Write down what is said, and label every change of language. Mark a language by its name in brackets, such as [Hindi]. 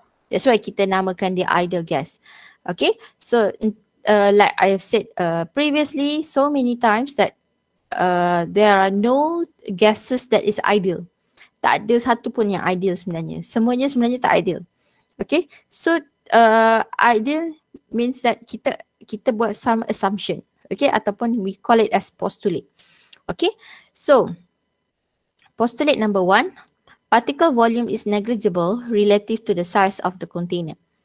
[English] That's why [Malay] kita namakan [English] the ideal gas. Okay, so like I have said previously so many times that there are no gases that is ideal. [Malay] Tak ada satu pun yang ideal sebenarnya. Semuanya sebenarnya tak ideal. [English] Okay, so ideal means that [Malay] kita buat [English] some assumption. Okay, ataupun we call it as postulate. Okay, so postulate number one, particle volume is negligible relative to the size of the container.